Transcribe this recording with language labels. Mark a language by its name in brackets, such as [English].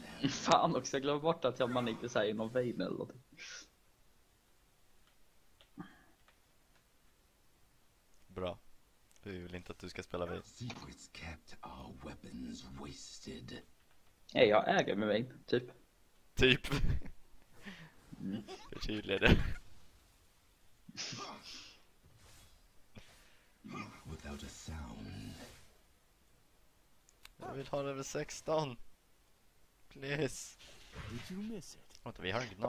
[Swedish] Fan också, jag glömde bort att man inte säger någon vein eller någonting. Bra. Vi vill inte att du ska spela vein. [English] Secrets kept are weapons wasted. [Swedish] Nej, jag äger med vein, typ. Typ. Hur tydlig är det? [English] Without a sound. [Swedish] Jag vill ha level 16. [English] Please. Did you miss it? [Swedish] Vänta, vi har en gnar.